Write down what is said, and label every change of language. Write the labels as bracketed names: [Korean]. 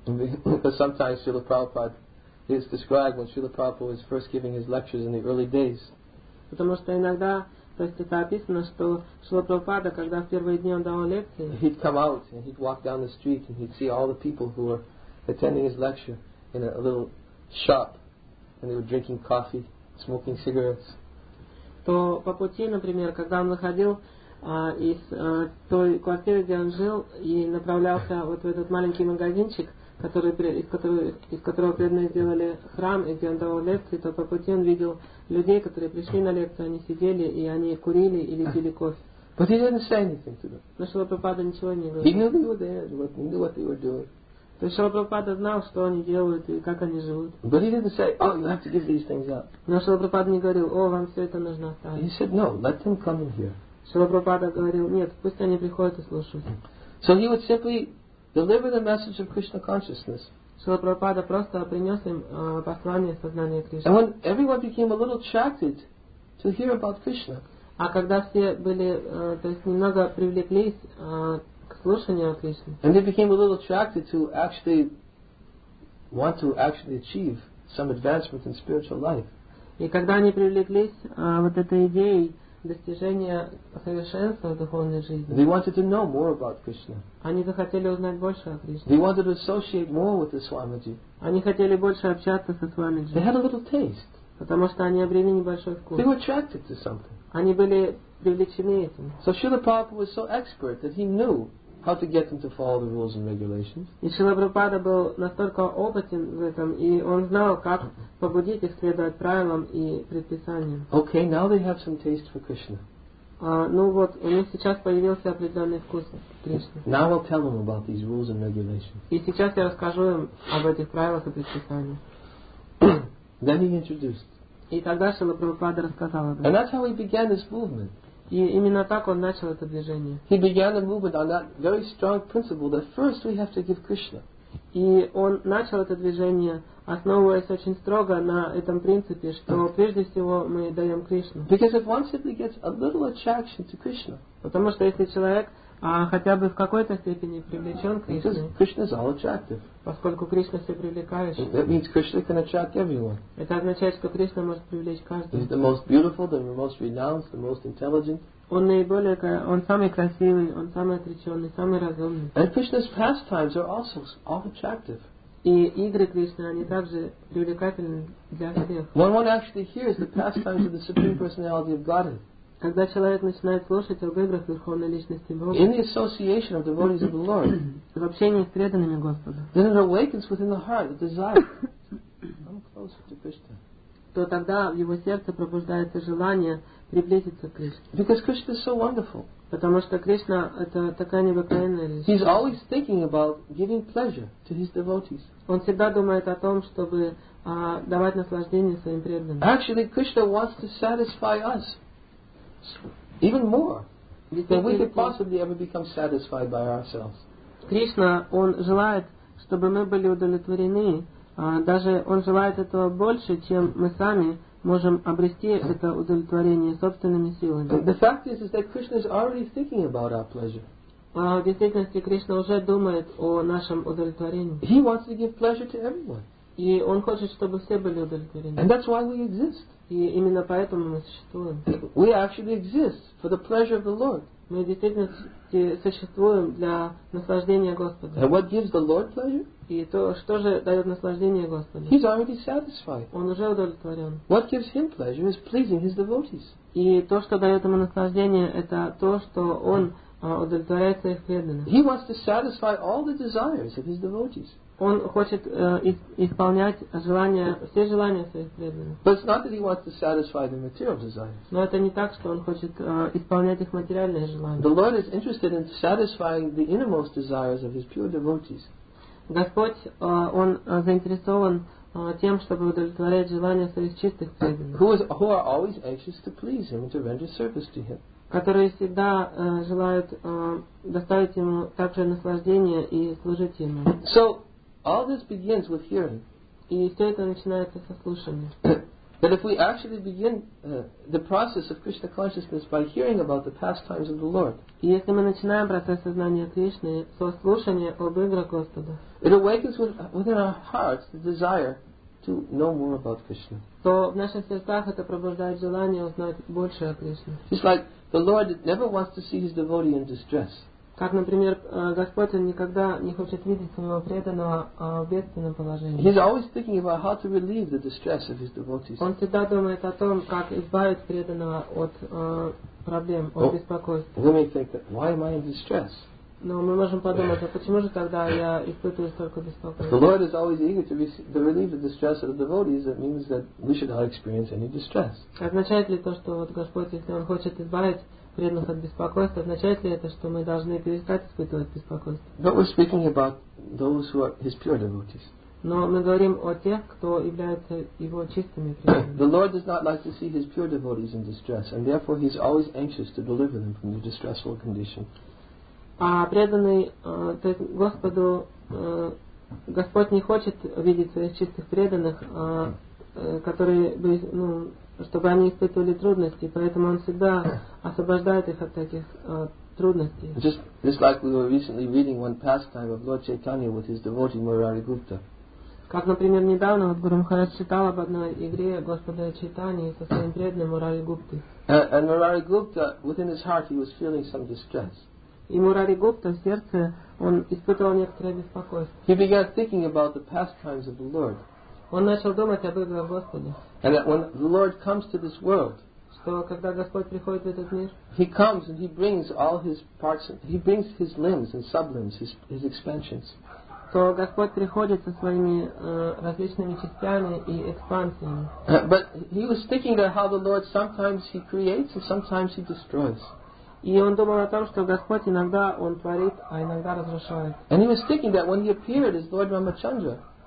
[English] Sometimes Srila Prabhupada is described when Srila Prabhupada was first giving his lectures in the early days. [Russian] Потому что иногда, то есть это описано, что Шрила Прабхупада, когда в первые дни он давал лекции, [English] he'd come out and he'd walk down the street and he'd see all the people who were attending his lecture in a little shop. And they were drinking coffee, smoking cigarettes. [Russian] То по пути, например, когда он выходил из той квартиры, где он жил, и направлялся вот в этот маленький магазинчик, из которого преданные сделали храм, и где он давал лекции, то по пути он видел людей, которые пришли на лекцию, они сидели и они курили или пили кофе. [English] But he didn't say anything to them. [Russian] Но Шрила Прабхупада ничего не говорил. [English] He knew they were there, but he knew what they were doing. [Russian] То есть Шрила Прабхупада знал, что они делают и как они живут. [English] But he didn't say, oh, you have to give these things up. [Russian] Но Шрила Прабхупада не говорил, о, вам все это нужно оставить. [English] He said, no, let them come in here. [Russian] Шрила Прабхупада говорил, нет, пусть они приходят и слушают. [English] So he would simply deliver the message of Krishna consciousness. [Russian] Шрила Прабхупада просто принес им послание сознания Кришны. [English] And when everyone became a little attracted to hear about Krishna. [Russian] А когда все были, то есть немного привлеклись, [English] And they became a little attracted to actually want to actually achieve some advancement in spiritual life. [Russian] И когда они привлеклись вот этой идеей достижения совершенства в духовной жизни. [English] They wanted to know more about Krishna. [Russian] Они захотели узнать больше о Кришне. [English] They wanted to associate more with the Swamiji. [Russian] Они хотели больше общаться со Свамиджи. [English] They had a little taste. [Russian] Потому что они обрели небольшой вкус. [English] They were attracted to something. [Russian] Они были привлечены этим. [English] So Srila Prabhupada was so expert that he knew how to get them to follow the rules and regulations. [Russian] И Шрила Прабхупада был настолько опытен в этом, и он знал, как побудить их следовать правилам и предписаниям. [English] Okay, now they have some taste for Krishna. [Russian] Ну вот, у них сейчас появился определенный вкус Кришны. [English] Now I'll tell them about these rules and regulations. [Russian] И сейчас я расскажу им об этих правилах и предписаниях. [English] Then he introduced. [Russian] И тогда Шрила Прабхупада рассказал об этом. [English] And that's how he began this movement. [Russian] И именно так он начал это движение. [English] He began the movement on that very strong principle that first we have to give Krishna. [Russian] И он начал это движение, основываясь очень строго на этом принципе, что прежде всего мы даем Кришну. [English] Because if one simply gets a little attraction to Krishna. [Russian] Потому что если человек хотя бы в какой-то степени привлечен к Кришне. [English] Krishna is all attractive. [Russian] Поскольку Кришна все привлекающий. [English] That means Krishna can attract everyone. [Russian] Это означает, что Кришна может привлечь каждого. [English] He's the most beautiful, the most renowned, the most intelligent. [Russian] Он наиболее, он самый красивый, он самый отреченный, самый разумный. [English] And Krishna's pastimes are also all attractive. [Russian] И игры Кришны, они также привлекательны для всех. [English] When one actually hears the pastimes of the Supreme Personality of Godhead. [Russian] Когда человек начинает слушать об играх Верховной Личности Бога, [English] in the association of devotees of the Lord, [Russian] в общении с преданными Господа, [English] then it awakens within the heart the desire to come closer to Krishna. [Russian] То тогда в его сердце пробуждается желание приблизиться к Кришне. [English] Because Krishna is so wonderful. [Russian] Потому что Кришна это такая необыкновенная личность. [English] He's always thinking about giving pleasure to his devotees. [Russian] Он всегда думает о том, чтобы давать наслаждение своим преданным. [English] Actually, Krishna wants to satisfy us. Even more than we could possibly ever become satisfied by ourselves. [Russian] Кришна, он желает, чтобы мы были удовлетворены. Даже он желает этого больше, чем мы сами можем обрести это удовлетворение собственными силами. [English] The fact is that Krishna is already thinking about our pleasure. [Russian] В действительности Кришна уже думает о нашем удовлетворении. [English] He wants to give pleasure to everyone. [Russian] И он хочет, чтобы все были удовлетворены. [English] And that's why we exist. [Russian] И именно поэтому мы существуем. [English] We actually exist for the pleasure of the Lord. [Russian] Мы действительно и существуем для наслаждения Господа. [English] And what gives the Lord pleasure? [Russian] И то, что же дает наслаждение Господу? [English] He's already satisfied. [Russian] Он уже удовлетворен. [English] What gives him pleasure is pleasing his devotees. [Russian] И то, что дает ему наслаждение, это то, что он удовлетворяет своих преданных. [English] He wants to satisfy all the desires of his devotees. [Russian] Он хочет исполнять желания, все желания своих преданных. [English] But it's not that he wants to satisfy the material desires. [Russian] Но это не так, что он хочет исполнять их материальные желания. [English] The Lord is interested in satisfying the innermost desires of his pure devotees. [Russian] Господь, он заинтересован тем, чтобы удовлетворять желания своих чистых преданных. [English] Who are always anxious to please him and to render service to him. [Russian] Которые всегда желают доставить ему также наслаждение и служить ему. [English] So, all this begins with hearing. [Russian] И все это начинается со слушания. [English] But if we actually begin the process of Krishna consciousness by hearing about the pastimes of the Lord, [Russian] если мы начинаем процесс сознания Кришны со слушания об играх Господа, [English] it awakens within our hearts the desire to know more about Krishna. [Russian] То в наших сердцах это пробуждает желание узнать больше о Кришне. [English] It's like the Lord never wants to see his devotee in distress. [Russian] Как, например, Господь никогда не хочет видеть своего преданного в бедственном положении. [English] He's always thinking about how to relieve the distress of his devotees. [Russian] Он всегда думает о том, как избавить преданного от проблем, от беспокойства. [English] We may think that, why am I in distress? [Russian] Но мы можем подумать, а почему же тогда я испытываю столько беспокойства? [English] The Lord is always eager to relieve the distress of the devotees. That means that we should not experience any distress. [Russian] Означает ли то, что вот Господь, если Он хочет избавить преданных от беспокойства, означает ли это, что мы должны перестать испытывать беспокойство? [English] But we're speaking about those who are his pure devotees. [Russian] Но мы говорим о тех, кто является его чистыми преданными. [English] The Lord does not like to see his pure devotees in distress, and therefore he's always anxious to deliver them from their distressful condition. [Russian] А преданный, то есть Господу, Господь не хочет видеть своих чистых преданных, которые бы, ну, чтобы они испытывали трудности, поэтому он всегда освобождает их от таких трудностей. [English] Just like we were recently reading one pastime of Lord Chaitanya with his devotee Murari Gupta. [Russian] Как, например, недавно вот Гуру Махарадж читал об одной игре Господа Чайтаньи со своим преданным Мурари Гупты. [English] And Murari Gupta, within his heart, he was feeling some distress. [Russian] И Мурари Гупта в сердце он испытывал некоторое беспокойство. [English] He began thinking about the pastimes of the Lord. [Russian] Он начал думать об играх Господе. [English] And that when the Lord comes to this world, [Russian] что когда Господь приходит в этот мир, [English] he comes and he brings all his parts, he brings his limbs and sublimbs, his expansions. [Russian] То Господь приходит со своими различными частями и экспансиями. [English] But he was thinking that how the Lord sometimes he creates and sometimes he destroys. [Russian] И он думал о том, что Господь иногда он творит, а иногда разрушает. [English] And he was thinking that when he appeared as Lord Ramachandra.